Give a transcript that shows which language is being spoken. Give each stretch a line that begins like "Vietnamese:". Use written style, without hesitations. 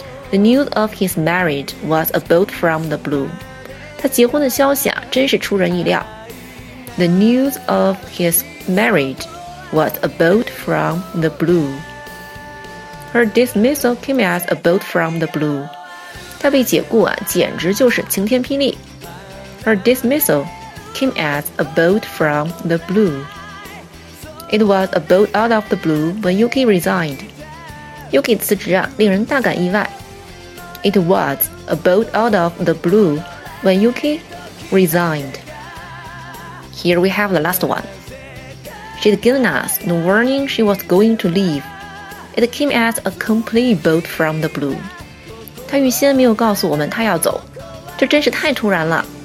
English: The news of his marriage was a bolt from the blue.
Chinese: 他结婚的消息啊，真是出人意料。
English: The news of his marriage was a bolt from the blue. Her dismissal came as a bolt from the blue.
Chinese: 她被解雇啊，简直就是晴天霹雳。
English: Her dismissal came as a bolt from the blue. It was a bolt out of the blue when Yuki resigned.
Chinese: Yuki 辞职啊，令人大感意外。
English: It was a bolt out of the blue when Yuki resigned. Here we have the last one. She'd given us the warning she was going to leave. It came as a complete bolt from the blue.
Chinese: 她预先没有告诉我们她要走，这真是太突然了。